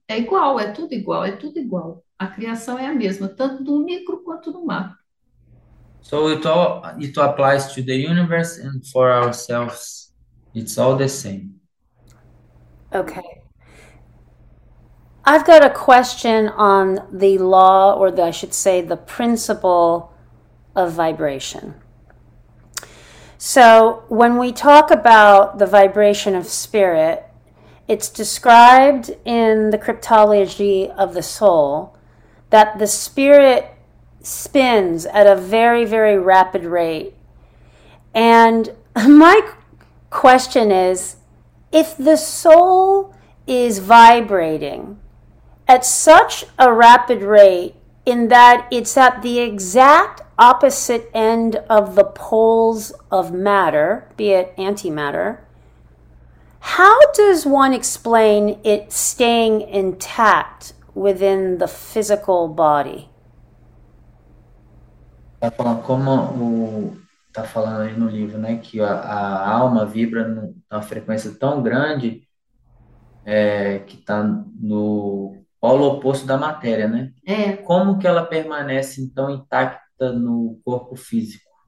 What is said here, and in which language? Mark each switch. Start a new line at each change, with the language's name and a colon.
Portuguese: É igual, é tudo igual, é tudo igual. A criação é a mesma, tanto do micro quanto do macro.
English: So it applies to the universe and for ourselves. It's all the same. Okay. I've got a question on the law, or I should say the principle of vibration. So when we talk about the vibration of spirit, it's described in the cryptology of the soul that the spirit spins at a very, very rapid rate. And my question is, if the soul is vibrating at such a rapid rate in that it's at the exact opposite end of the poles of matter, be it antimatter, how does one explain it staying intact within the physical body?
Portuguese: Tá falando como tá falando aí no livro, né, que a alma vibra numa frequência tão grande que tá no polo oposto da matéria, né? É. Como que ela permanece então intacta no corpo físico?